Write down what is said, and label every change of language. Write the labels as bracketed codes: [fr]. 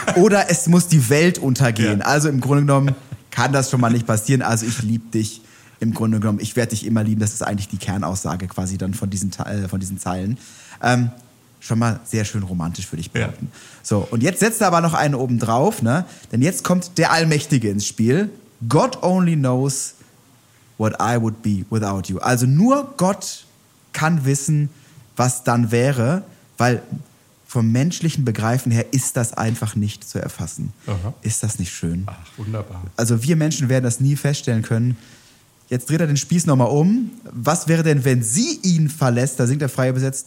[de] Oder es muss die Welt untergehen. Ja. Also, im Grunde genommen kann das schon mal nicht passieren. Also, ich liebe dich im Grunde genommen. Ich werde dich immer lieben. Das ist eigentlich die Kernaussage quasi dann von diesen Zeilen. Schon mal sehr schön romantisch für dich behaupten. Ja. So, und jetzt setzt er aber noch einen oben drauf, ne? Denn jetzt kommt der Allmächtige ins Spiel. [en] God only knows what I would be without you. [de] Also nur Gott kann wissen, was dann wäre, weil vom menschlichen Begreifen her ist das einfach nicht zu erfassen. Aha. Ist das nicht schön? Ach, wunderbar. Also wir Menschen werden das nie feststellen können. Jetzt dreht er den Spieß nochmal um. Was wäre denn, wenn sie ihn verlässt? Da singt er frei übersetzt.